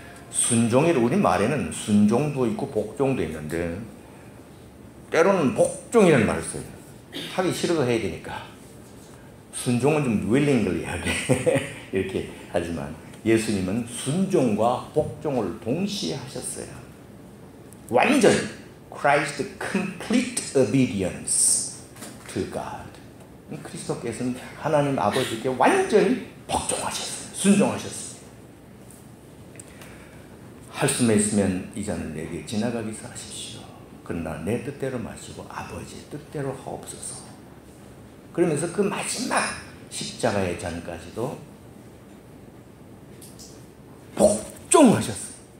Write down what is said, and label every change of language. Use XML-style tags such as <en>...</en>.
<ko>순종이라고 우리 말에는 순종도 있고 복종도 있는데 때로는 복종이라는 말을 써요. 하기 싫어도 해야 되니까 순종은 좀 willingly 하게 이렇게 하지만 예수님은 순종과 복종을 동시에 하셨어요.</ko> <en>완전 Christ complete obedience to God.</en> <ko>그리스도께서는 하나님 아버지께 완전히 복종하셨어요. 순종하셨어요. 할 수만 있으면 이제는 내게 지나가기 사십시오. 그러나 내 뜻대로 마시고 아버지의 뜻대로 하옵소서. 그러면서 그 마지막 십자가의 잔까지도 복종하셨어요.</ko>